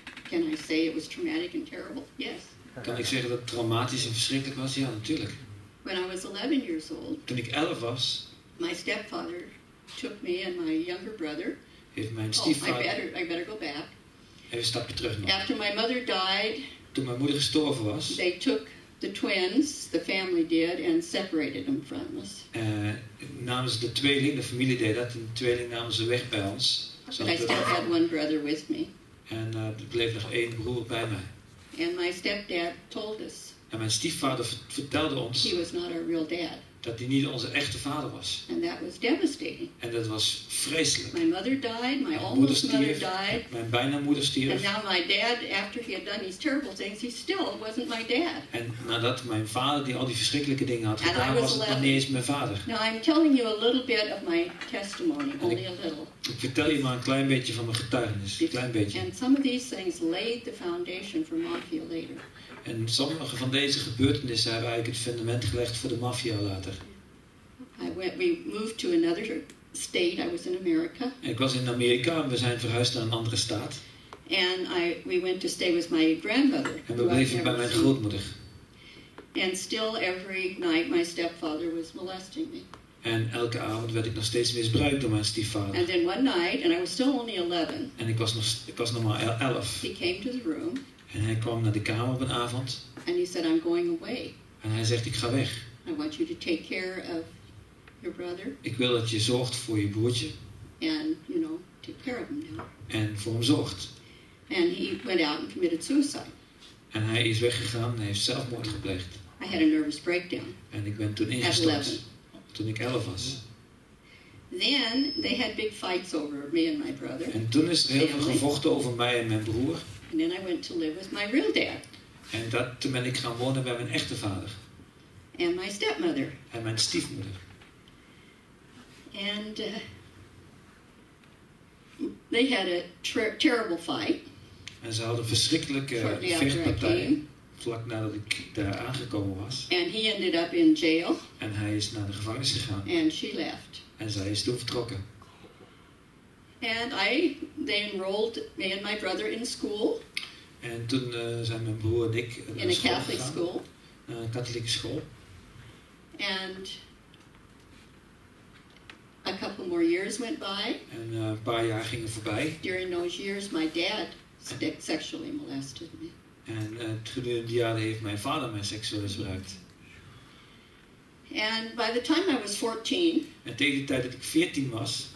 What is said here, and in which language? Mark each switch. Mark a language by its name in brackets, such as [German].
[English] Can I say it was traumatic and terrible? Yes. [Dutch] Kan ik zeggen dat het traumatisch en verschrikkelijk was? Ja, natuurlijk. [English] When I was 11 years old. [Dutch] Toen ik 11 was. [English] My stepfather took me and my younger brother. [Dutch] Heeft mijn stiefvader. [English] Oh, I better go back. [Dutch] Even een stapje terug nog. [English] After my mother died. [Dutch] Toen mijn moeder gestorven was. [English] They took the twins, the family did, and separated them from us. [Dutch] Namen ze de tweeling, de familie deed dat, en de tweeling namen ze weg bij ons. [English] But I still had one brother with me. [Dutch] En er bleef nog één broer bij mij. [English] And my stepdad told us. [Dutch] En mijn stiefvader vertelde ons. [English] He was not our real dad. [Dutch] Dat hij niet onze echte vader was. [English] And that was devastating. [Dutch] En dat was vreselijk. [English] My mother died, my almost mother died. [Dutch] Mijn bijna moeder stierf. [English] And now my dad, after he had done these terrible things, he still wasn't my dad. [Dutch] En nadat mijn vader die al die verschrikkelijke dingen had gedaan, was het dan niet eens mijn vader. [English] Now I'm telling you a little bit of my testimony, only a little. [Dutch] Ik vertel je maar een klein beetje van mijn getuigenis, een klein beetje. [English] And some of these things laid the foundation for mafia later. [Dutch] En sommige van deze gebeurtenissen hebben eigenlijk het fundament gelegd voor de maffia later. [English] We moved to another state. I was in America. [Dutch] En ik was in Amerika en we zijn verhuisd naar een andere staat. [English] And we went to stay with my grandmother. [Dutch] En we bleven bij mijn grootmoeder. [English] And still every night my stepfather was molesting me. [Dutch] En elke avond werd ik nog steeds misbruikt door mijn stiefvader. [English] And then one night, and I was still only 11. [Dutch] En ik was nog maar 11. [English] He came to the room. [Dutch] En hij kwam naar de kamer op een avond. [English] And he said, I'm going away. [Dutch] En hij zegt, ik ga weg. [English] I want you to take care of your brother. [Dutch] Ik wil dat je zorgt voor je broertje. [English] And, you know, take care of him now. [Dutch] En voor hem zorgt. [English] And he went out and committed suicide. [Dutch] En hij is weggegaan en heeft zelfmoord gepleegd. [English] I had a nervous breakdown. [Dutch] En ik ben toen ingestort. Toen ik 11 was. [English] Then they had big fights over me and my brother. [Dutch] En toen is er heel veel gevochten over mij en mijn broer. [English] And then I went to live with my real dad. [Dutch] En toen ben ik gaan wonen bij mijn echte vader. [English] And my stepmother. [Dutch] En mijn stiefmoeder. [English] And they had a terrible fight. [Dutch] En ze hadden verschrikkelijke vechtpartijen. Vlak nadat ik daar aangekomen was. [English] And he ended up in jail. [Dutch] En hij is naar de gevangenis gegaan. [English] And she left. [Dutch] En zij is toen vertrokken. [English] And they enrolled me and my brother in school. [Dutch] En toen zijn mijn broer en ik in een Catholic school. Naar een katholieke school. [English] And a couple more years went by. [Dutch] En een paar jaar gingen voorbij. [English] During those years, my dad sexually molested me. [Dutch] En gedurende die jaren heeft mijn vader mij seksueel misbruikt. [English] And by the time I was 14, [Dutch] en tegen de tijd dat ik 14 was,